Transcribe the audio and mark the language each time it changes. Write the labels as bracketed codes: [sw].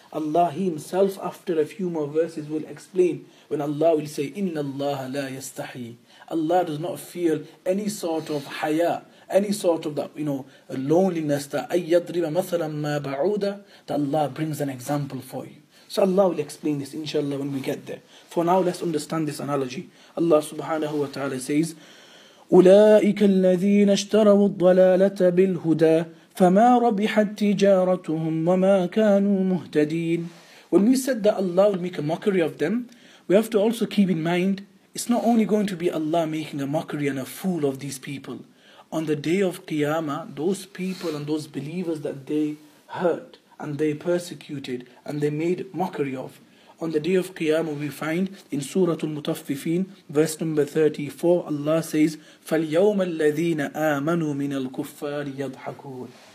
[en] Allah Himself, after a few more verses, will explain when Allah will say, [ar] "Inna Allah la yastahi." [en] Allah does not feel any sort of haya, any sort of that, you know, loneliness. That [ar] ayyadriba mathalan ma ba'uda. [en] That Allah brings an example for you. So Allah will explain this, inshallah, when we get there. For now, let's understand this analogy. Allah subhanahu wa ta'ala says, [ar] أولئك الذين اشتروا الضلالة بالهدى فما ربحت تجارتهم وما كانوا مهتدين. [en] When we said that Allah will make a mockery of them, we have to also keep in mind, it's not only going to be Allah making a mockery and a fool of these people. On the day of Qiyamah, those people and those believers that they hurt and they persecuted and they made mockery of, on the day of Qiyamah, we find in Surah Al-Mutaffifin, verse number 34, Allah says, [ar] فَالْيَوْمَ الَّذِينَ آمَنُوا مِنَ الْكُفَّارِ يَضْحَكُونَ.